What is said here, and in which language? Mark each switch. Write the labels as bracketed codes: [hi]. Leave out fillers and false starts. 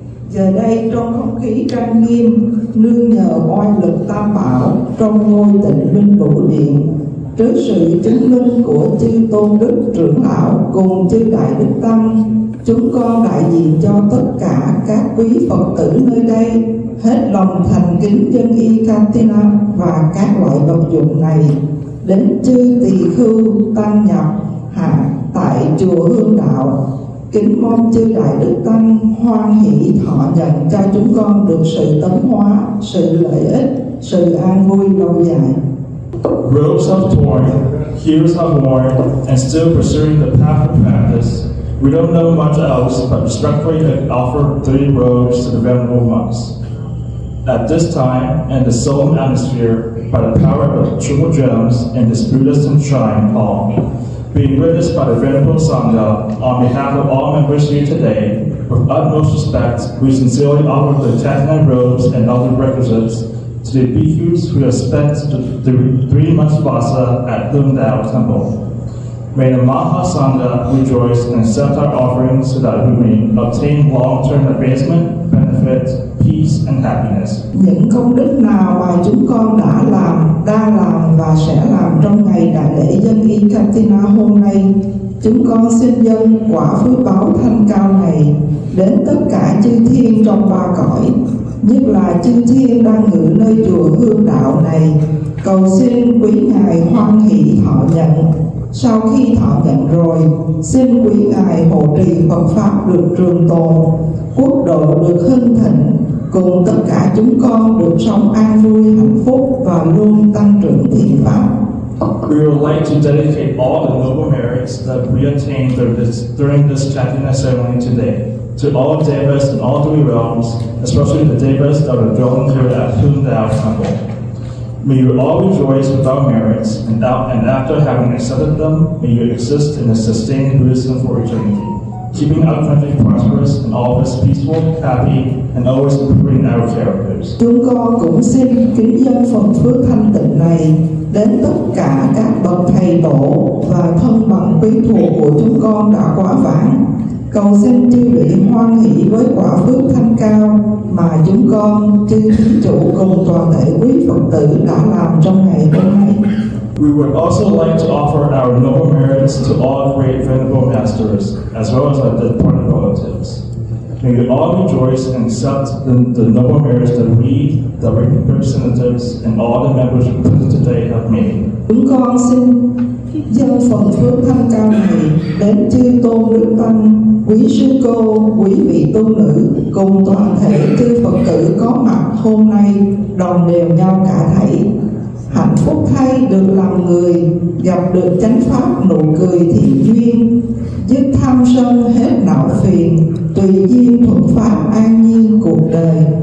[vi] Giờ đây trong không khí trang nghiêm, nương nhờ oai lực Tam Bảo trong ngôi tịnh minh vũ điện, trước sự chứng minh của chư tôn đức trưởng lão cùng chư đại đức tăng, chúng con đại diện cho tất cả các quý Phật tử nơi đây hết lòng thành kính dân y Katina và các loại vật dụng này đến chư tỳ khưu tăng nhập hạ tại chùa Hương Đạo. Kính mong chư đại đức tăng hoan hỷ thọ nhận cho chúng con được sự tấn hóa, sự lợi ích, sự an vui lâu dài. [en] Robes have torn, heels have worn, and still pursuing the path of practice, we don't know much else but respectfully offer three robes to the venerable monks. At this time, in the solemn atmosphere, by the power of triple gems in this Buddhist and shrine hall, being witnessed by the Venerable Sangha, on behalf of all members here today, with utmost respect, we sincerely offer the Chaitanya robes and other requisites to the bhikkhus who have spent the 3 months vasa at Hương Đạo Temple. May the Maha Sangha rejoice and accept our offerings so that we may obtain long-term advancement, benefit, peace, and happiness. [vi] Những công đức nào mà chúng con đã làm, đang làm và sẽ làm trong ngày đại lễ dân y Katina hôm nay, chúng con xin dâng quả phước báo thanh cao này đến tất cả chư thiên trong ba cõi, nhất là chư thiên đang ngự nơi chùa Hương Đạo này. Cầu xin quý ngài hoan hỷ thọ nhận, Sau khi thọ nhận rồi, xin quý ngài hộ trì Phật pháp được trường tồn, quốc độ được hưng thịnh, cùng tất cả chúng con được sống an vui hạnh phúc và luôn tăng trưởng thiện pháp. [en] We would like to dedicate all the noble merits that we attained during this Chaitanya ceremony today to all devas in all three realms, especially the devas that are dwelling here at Hundao Temple. May you all rejoice with our merits, and after having accepted them, may you exist in a sustained Buddhism for eternity, keeping our country prosperous and always peaceful, happy, and always improving our characters. [vi] Chúng con cũng xin kính dâng phần phước thanh tịnh này đến tất cả các bậc thầy tổ và thân bằng quyến thuộc của chúng con đã quá vãng. Cầu xin chư vị hoan hỷ với quả phước thanh cao mà chúng con, chư thánh chủ cùng toàn thể quý Phật tử đã làm trong ngày hôm nay. [en] We would also like to offer our noble merits to all great venerable masters, as well as our departed relatives. May you all rejoice and accept the noble merits that we, the representatives, and all the members present today have made. [vi] Chúng con xin dâng phần phước thanh cao này đến chư tôn đức tăng, quý sư cô, quý vị tu nữ cùng toàn thể chư Phật tử có mặt hôm nay, đồng đều nhau cả thảy. Hạnh phúc thay được làm người, gặp được chánh pháp nụ cười thiện duyên, giúp tham sân hết não phiền, tùy duyên thuận pháp an nhiên cuộc đời.